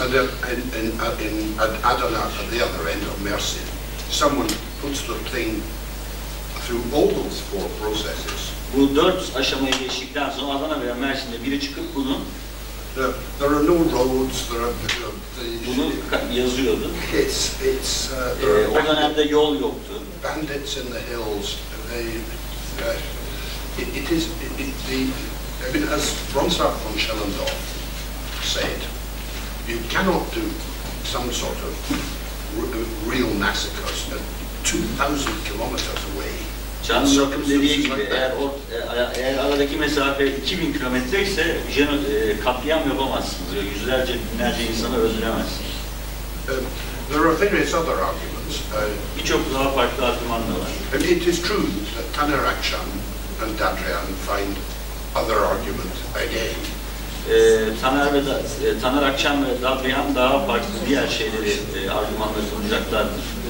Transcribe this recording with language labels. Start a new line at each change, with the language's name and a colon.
English: And in Adana, at the other end of Mersin, someone puts the thing through all those four processes.
Turkish: Bu dört aşamayı geçtikten sonra Adana veya Mersin'de biri çıkıp bunu
English: There are no roads, there are...
Turkish: Bunu yazıyordu.
English: It's
Turkish: o dönemde yol yoktu.
English: Bandits in the hills. As Bronsart von Schellendorf said, you cannot do some sort of real massacres 2,000 kilometers away.
Turkish: Can Yılkım dediği gibi, eğer aradaki mesafe 2000 kilometre ise katliam yapamazsınız. Yüzlerce, binlerce insanı öldüremezsiniz.
English: There are various other arguments.
Turkish: Birçok daha farklı argüman da var.
English: And it is true that Taner Akşam and Dadrian find other arguments again.
Turkish: Taner Akşam ve Dadrian daha farklı diğer şeyleri argümanla sunacaklardır.